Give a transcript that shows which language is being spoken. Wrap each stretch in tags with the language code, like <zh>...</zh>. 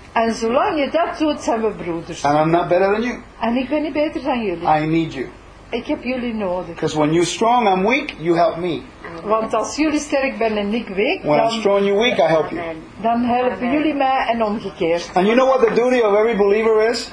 <nl>En zolang je dat doet, zijn we broeders.</nl> <en>And I'm not better than you.</en> <nl>En ik ben niet beter dan jullie.</nl> <en>I need you.</en> <nl>Ik heb jullie nodig.</nl> <en>Because when you're strong, I'm weak, you help me.</en> <nl>Want als jullie sterk zijn en ik weak,</nl> <en>when I'm strong, you're weak, I help you.</en> <nl>Dan helpen jullie mij en omgekeerd.</nl> <en>And you know what the duty of every believer is?</en>